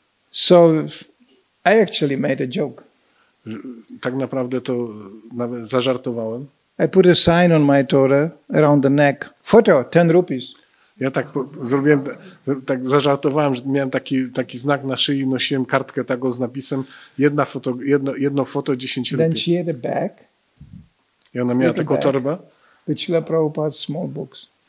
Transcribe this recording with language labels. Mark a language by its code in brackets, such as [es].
[en] So I actually made a joke. [pl] Tak naprawdę to nawet zażartowałem. [en] I put a sign on my Torah around the neck. Foto, 10 rupees. [pl] Ja tak zrobiłem, tak zażartowałem, że miałem taki znak na szyi, nosiłem kartkę taką z napisem jedno foto 10 rupii. [en] Then she had a bag. [pl] I ona miała taką torbę. [en] With Śrila Prabhupada's small books.